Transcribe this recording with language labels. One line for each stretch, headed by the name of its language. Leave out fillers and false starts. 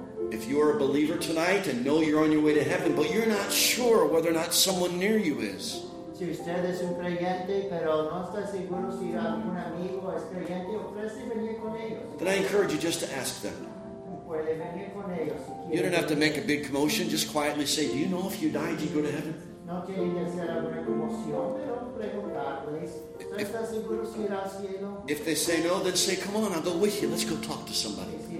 English: If you are a believer tonight and know you're on your way to heaven, but you're not sure whether or not someone near you is,
Spanish: si usted es un creyente, pero no está seguro si algún amigo es creyente, ofrece venir con ellos.
English: Then I encourage you just to ask them.
Spanish: Puede venir con ellos, si quiere.
English: You don't have to make a big commotion. Just quietly say, do you know if you died, you go to heaven?
Spanish: No tiene que hacer alguna conmoción, pero preguntarles. If, ¿está seguro si irá al cielo?
English: If they say no, then say, come on, I'll go with you. Let's go talk to somebody.